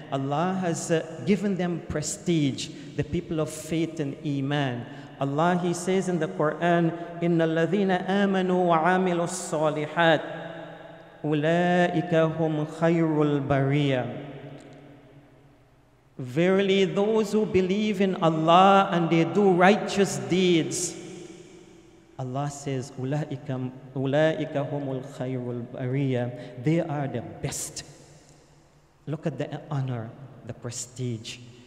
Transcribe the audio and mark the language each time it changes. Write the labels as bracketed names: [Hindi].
[English] Allah has given them prestige, the people of faith and iman. Allah, He says in the Quran, [Arabic] إِنَّ الَّذِينَ آمَنُوا وَعَامِلُوا الصَّالِحَاتِ أُولَٰئِكَ هُمْ خَيْرُ الْبَرِيَةِ. [English] Verily, those who believe in Allah and they do righteous deeds, Allah says, [Arabic] أُولَٰئِكَ هُمُ الْخَيْرُ الْبَرِيَةِ. [English] They are the best. Look at the honor, the prestige.